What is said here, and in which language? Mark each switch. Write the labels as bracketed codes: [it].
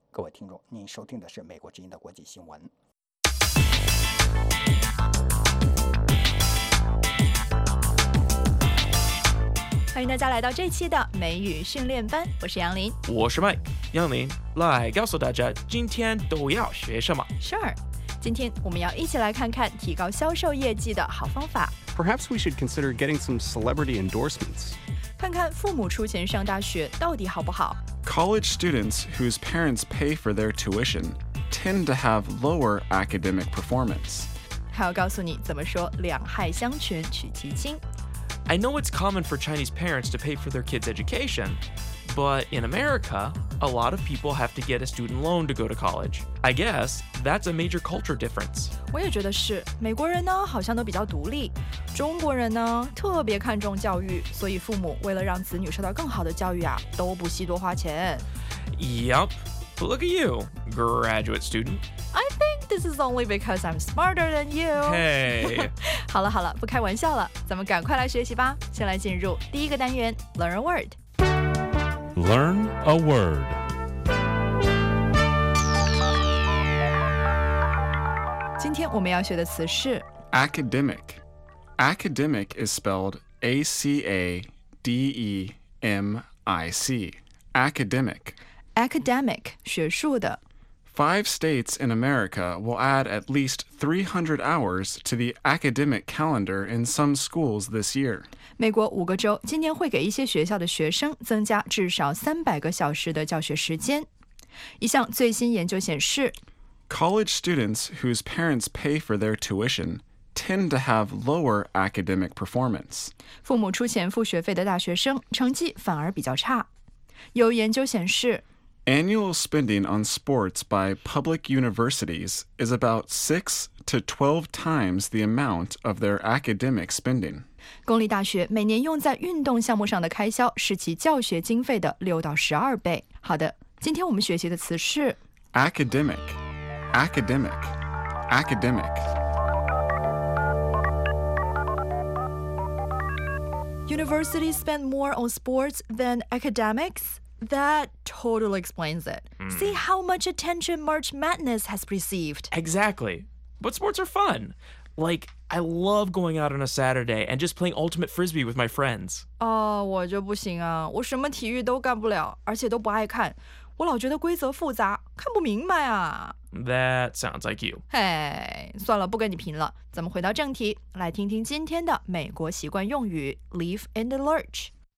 [zh] 各位听众，您收听的是美国之音的国际新闻。欢迎大家来到这期的美语训练班，我是杨林，我是麦。杨林，来告诉大家今天都要学什么。 Sure， 今天我们要一起来看看提高销售业绩的好方法。 [en] Perhaps we should consider getting some celebrity endorsements， [zh] 看看父母出钱上大学到底好不好。 [en] College students whose parents pay for their tuition tend to have lower academic performance。 [zh] 还要告诉你怎么说两害相权取其轻。 [en] I know it's common for Chinese parents to pay for their kids' education, but in America, a lot of people have to get a student loan to go to college. I guess that's a major culture difference. [zh] 我也觉得是，美国人呢好像都比较独立，中国人呢特别看重教育，所以父母为了让子女受到更好的教育啊，都不惜多花钱。 [en] Yep, but look at you, graduate student. I think this is only because I'm smarter than you. Hey. [zh] 好了好了，不开玩笑了，咱们赶快来学习吧。先来进入第一个单元 ， [en] Learn a word. Learn a word. [zh] 今天我们要学的词是 [en] academic. Academic is spelled A-C-A-D-E-M-I-C. Academic. [zh] Academic, 学术的。 [en] Five states in America will add at least 300 hours to the academic calendar in some schools this year. [zh] 美国五个州今年会给一些学校的学生增加至少300个小时的教学时间。一项最新研究显示， [en] College students whose parents pay for their tuition tend to have lower academic performance. [zh] 父母出钱付学费的大学生成绩反而比较差。有研究显示， [en] Annual spending on sports by public universities is about 6 to 12 times the amount of their academic spending. [zh] 公立大学每年用在运动项目上的开销是其教学经费的6到12倍。好的，今天我们学习的词是 [en] academic, academic, academic. Universities spend more on sports than academics? That totally explains it. Mm. See how much attention March Madness has received. Exactly. But sports are fun. Like, I love going out on a Saturday and just playing Ultimate Frisbee with my friends. [zh] Oh, 我就不行啊。我什么体育都干不了，而且都不爱看。我老觉得规则复杂，看不明白啊。 [en] That sounds like you. [zh] Hey, 算了，不跟你贫了。咱们回到正题，来听听今天的美国习惯用语 [en] Leave in the Lurch.